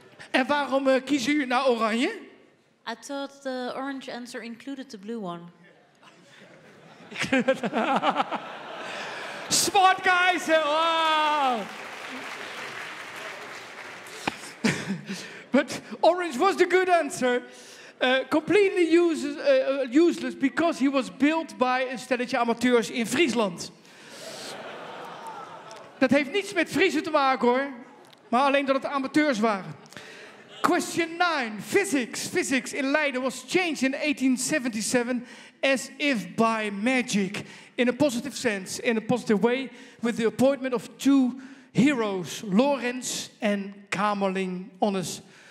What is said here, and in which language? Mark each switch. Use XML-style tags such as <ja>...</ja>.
<nl>En waarom kiezen jullie nou oranje?</nl> <en>I thought the orange answer included the blue one. Smart guys! Wow! But orange was the good answer. Completely useless because he was built by</en> <nl>een stelletje amateurs in Friesland. Dat heeft niets met Friezen te maken hoor. Maar alleen dat het amateurs waren.</nl> <en>Question 9. Physics in Leiden was changed in 1877 as if by magic, in a positive sense, in a positive way, with the appointment of 2 heroes, Lorentz and Kamerling Onnes.</en>